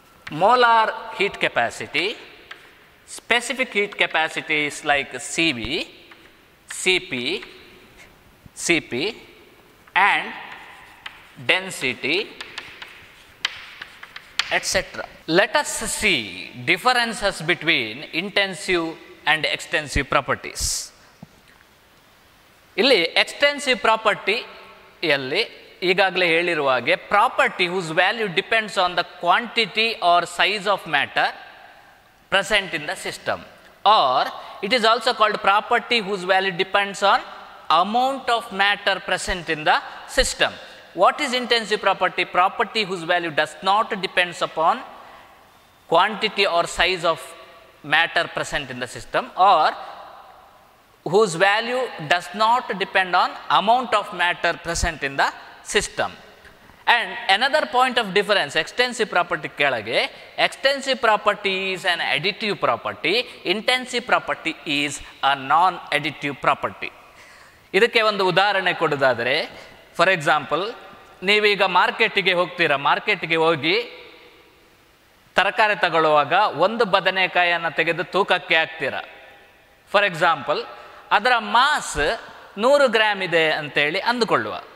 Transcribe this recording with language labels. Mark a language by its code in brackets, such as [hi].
[en] molar heat capacity, specific heat capacity is like Cv, Cp, Cp, and density, etc. Let us see differences between intensive and extensive properties. [kn] ಇಲ್ಲಿ extensive ಪ್ರಾಪರ್ಟಿಯಲ್ಲಿ ಈಗಾಗಲೇ ಹೇಳಿರುವ ಹಾಗೆ [en] Property whose value depends on the quantity or size of matter present in the system or it is also called property whose value depends on amount of matter present in the system what is intensive property property whose value does not depends upon quantity or size of matter present in the system or whose value does not depend on amount of matter present in the system. And another point of difference, extensive property kelage, extensive property is an additive property, intensive property is a non-additive property. [kn] ಇದಕ್ಕೆ ಒಂದು ಉದಾಹರಣೆ ಕೊಡೋದಾದರೆ, for example, ನೀವೀಗ ಮಾರ್ಕೆಟಿಗೆ ಹೋಗ್ತೀರಾ, ಮಾರ್ಕೆಟಿಗೆ ಹೋಗಿ ತರಕಾರಿ ತಗೊಳ್ಳುವಾಗ ಒಂದು ಬದನೆಕಾಯಿಯನ್ನು ತೆಗೆದು ತೂಕಕ್ಕೆ ಹಾಕ್ತೀರಾ. ಫಾರ್ ಎಕ್ಸಾಂಪಲ್, ಅದರ ಮಾಸ್ 100 ಗ್ರಾಮ್ ಇದೆ ಅಂತೇಳಿ ಅಂದುಕೊಳ್ಳುವ.